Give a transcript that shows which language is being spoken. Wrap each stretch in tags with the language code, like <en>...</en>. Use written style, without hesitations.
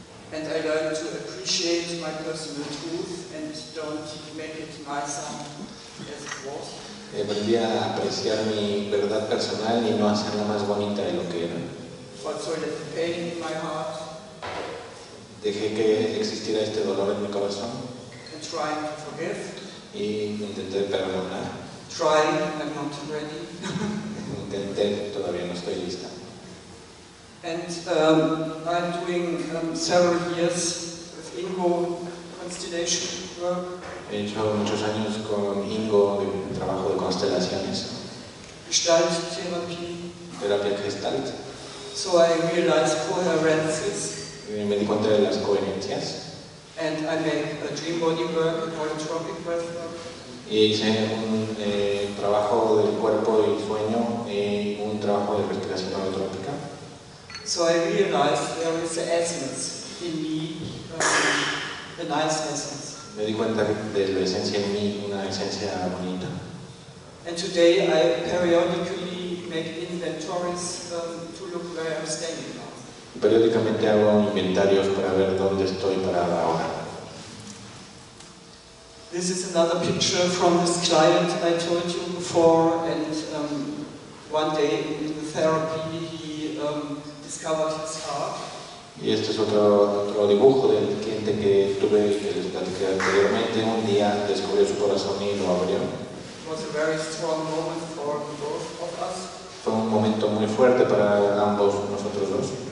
<en>And I learned to appreciate my personal truth and don't make it my son as it was.</en> <es>Aprendí a apreciar mi verdad personal y no hacerla más bonita de lo que era.</es> <en>Also the pain in my heart.</en> <es>Dejé que existiera este dolor en mi corazón.</es> <en>And trying to forgive.</en> <es>Y intenté perdonar.</es> <en>Trying, I'm not ready.</en> <es>Intenté, todavía no estoy lista.</es> <en>And I'm doing several years with Ingo constellation work.</en> <es>He hecho muchos años con Ingo de trabajo de constelaciones.</es> <en>Gestalt therapy.</en> <es>Terapia Gestalt.</es> <en>So I realized coherences.</en> <es>Me di cuenta de las coherencias.</es> <en>And I make a dream body work, a holotropic breath work.</en> <es>Y hice un trabajo del cuerpo y sueño y un trabajo de respiración holotrópica.</es> <en>So I realized there is an essence in me, a nice essence.</en> <es>Me di cuenta de la esencia en mí, una esencia bonita.</es> <en>And today I periodically make inventories to look where I'm standing now.</en> <es>Periódicamente hago inventarios para ver dónde estoy parado ahora.</es> <en>This is another picture from this client I told you before, and one day in the therapy he discovered his heart.</en> <es>Y este es otro dibujo del cliente que tuve que les platicé anteriormente. Un día descubrió su corazón y lo abrió.</es> <en>Was a very strong moment for both of us.</en> <es>Fue un momento muy fuerte para ambos nosotros dos.</es>